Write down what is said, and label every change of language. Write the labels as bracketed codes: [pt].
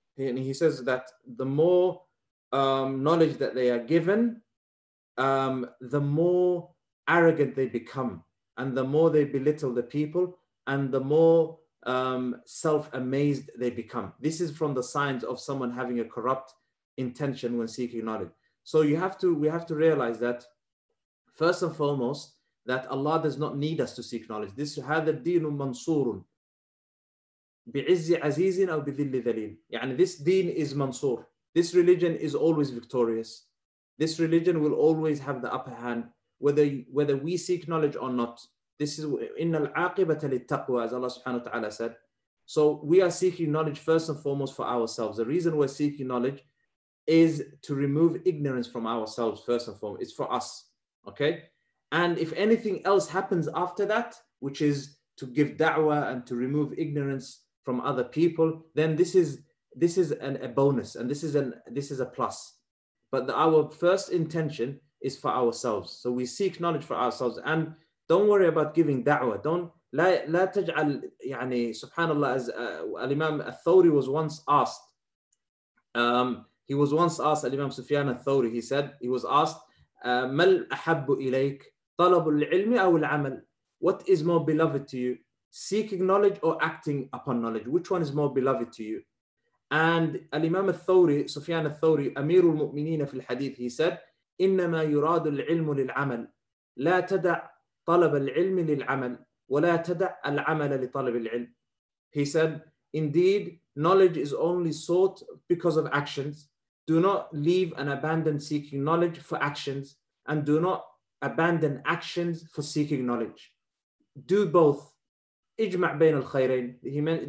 [en] And he says that the more knowledge that they are given, the more arrogant they become, and the more they belittle the people, and the more self-amazed they become. This is from the signs of someone having a corrupt intention when seeking knowledge. So we have to realize that, first and foremost, that Allah does not need us to seek knowledge. [ar] This هَذَا الدِّينُ مَنْصُورٌ بِعِزِّ عَزِيزٍ أَوْ بِذِلِّ ذَلِيلٍ. [en] يعني this deen is mansoor. This religion is always victorious. This religion will always have the upper hand, whether we seek knowledge or not. This is [ar] إِنَّ الْعَاقِبَةَ لِلتَّقْوَى, [en] as Allah subhanahu wa ta'ala said. So we are seeking knowledge first and foremost for ourselves. The reason we're seeking knowledge is to remove ignorance from ourselves first and foremost. It's for us, okay? And if anything else happens after that, which is to give da'wah and to remove ignorance from other people, then this is a bonus, and this is a plus. But our first intention is for ourselves. So we seek knowledge for ourselves. And don't worry about giving da'wah. [ar] لا تجعل [en] يعني سبحان الله, as Al-Imam Al-Thawri was once asked. Al-Imam Sufyan Al-Thawri, he was asked, [ar] مَلْ أَحَبُّ إِلَيْكَ طلب العلم أو العمل. [en] What is more beloved to you? Seeking knowledge or acting upon knowledge? Which one is more beloved to you? And Al-Imam Al-Thawri, Sufyan Al-Thawri, Amir al-Mu'mineen في الحديث, he said, [ar] إنما يراد العلم للعمل. لا تدع طلب العلم للعمل. ولا تدع العمل لطلب العلم. [en] He said, indeed, knowledge is only sought because of actions. Do not leave and abandon seeking knowledge for actions, and do not abandon actions for seeking knowledge. Do both. [ar] اجمع بين الخيرين.